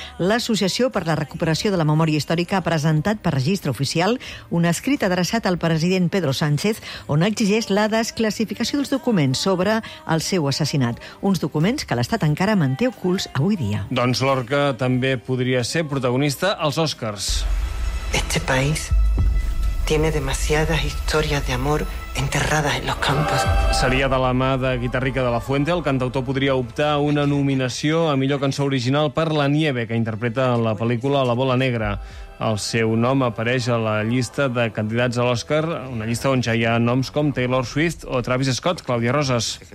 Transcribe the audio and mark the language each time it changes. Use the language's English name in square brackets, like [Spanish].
[Catalan] L'Associació per la Recuperació de la Memòria Històrica ha presentat per registre oficial un escrit adreçat al president Pedro Sánchez on exigeix la desclassificació dels documents sobre el seu assassinat. Uns documents que l'Estat encara manté ocults avui dia. Doncs Lorca també podria ser protagonista als Oscars. [Spanish] Este país tiene demasiadas historias de amor enterradas en los campos. [Catalan] Seria de la mà de Guitarrica de la Fuente. El cantautor podria optar una nominació a millor cançó original per La Nieve, que interpreta en la pel·lícula La Bola Negra. El seu nom apareix a la llista de candidats a l'Oscar, una llista on ja hi ha noms com Taylor Swift o Travis Scott, Clàudia Roses.